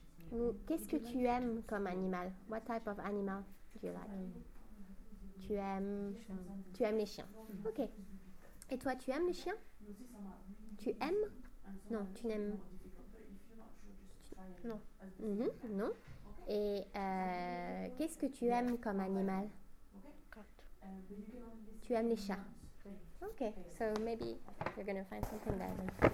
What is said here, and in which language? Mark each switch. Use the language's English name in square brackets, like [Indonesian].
[French] Ou qu'est-ce que tu aimes comme animal? [English] What type of animal do you like? [French] Tu aimes les chiens. Ok. Et toi, tu aimes les chiens? Tu aimes? Non, tu n'aimes. Non. Non. Et qu'est-ce que tu aimes comme animal? Tu aimes les chats. Ok. [English] So maybe you're gonna find something better.